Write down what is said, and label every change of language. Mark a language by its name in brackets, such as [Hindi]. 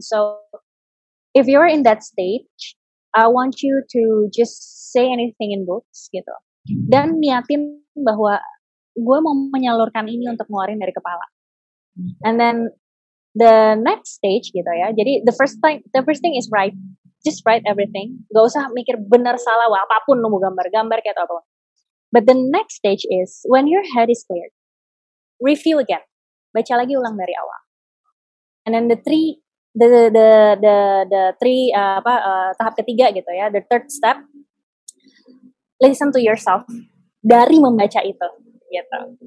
[English] So if you're in that stage, I want you to just say anything in books [Indonesian] gitu. Dan niatin bahwa gue mau menyalurkan ini untuk ngeluarin dari kepala. [English] And then the next stage [Indonesian] gitu ya. Jadi [English] the first thing is write. Just write everything. [Indonesian] Gak usah mikir benar salah apapun, nunggu gambar-gambar kayak apa. [English] But the next stage is when your head is cleared, review again. [Indonesian] Baca lagi ulang dari awal. [English] And then [Indonesian] tahap ketiga gitu ya, [English] the third step. Listen to yourself [Indonesian] dari membaca itu gitu.